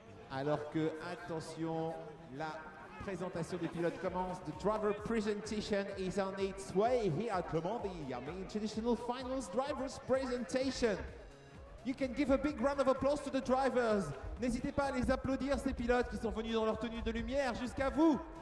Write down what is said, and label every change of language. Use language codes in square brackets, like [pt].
[fr] Alors que, attention, la présentation des pilotes commence. [en] The driver presentation is on its way here at Le Mans, the Yami International Finals driver's presentation. You can give a big round of applause to the drivers. [fr] N'hésitez pas à les applaudir, ces pilotes qui sont venus dans leur tenue de lumière jusqu'à vous.